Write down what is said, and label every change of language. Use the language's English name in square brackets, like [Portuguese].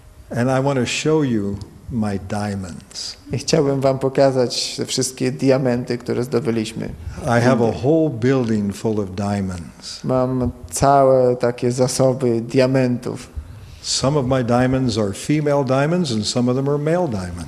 [English] And I want to show you my diamonds. [Polish] I chciałbym wam pokazać wszystkie diamenty, które zdobyliśmy. [English] I have a whole building full of diamonds. [Polish] Mam całe takie zasoby diamentów. [English] Some of my diamonds are female diamonds and some of them are male diamonds.